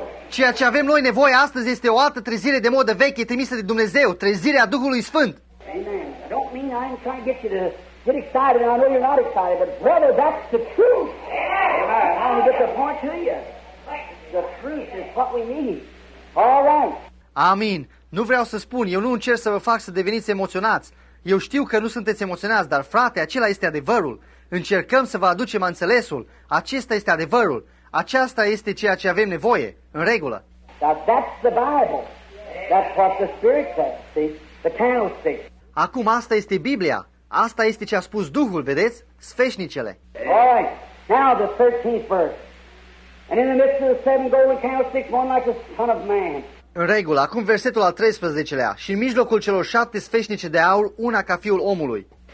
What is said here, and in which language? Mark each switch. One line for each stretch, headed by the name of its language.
Romanian: Ceea ce avem noi nevoie astăzi este o altă trezire de modă veche trimisă de Dumnezeu, trezirea Duhului Sfânt.
English: Amen. I don't mean I'm trying to get you to get excited, and I know you're not excited, but brother, that's the truth. Yeah. I'm going to get the point to you. The truth is what we need. All right.
Romanian: Amin. Nu vreau să spun, eu nu încerc să vă fac să deveniți emoționați. Eu știu că nu sunteți emoționați, dar frate, acela este adevărul. Încercăm să vă aducem înțelesul. Acesta este adevărul. Aceasta este ceea ce avem nevoie. În regulă.
English: That's the Bible. That's what the Spirit says. The candlestick.
Romanian: Acum asta este Biblia. Asta este ce a spus Duhul, vedeți? Sfeșnicele.
English: All right. Now the 13th verse. And in the midst of the seven golden candlesticks, one like a son of man.
Romanian: În regulă, acum versetul al 13-lea. Și în mijlocul celor șapte sfeșnice de aur, una ca fiul omului.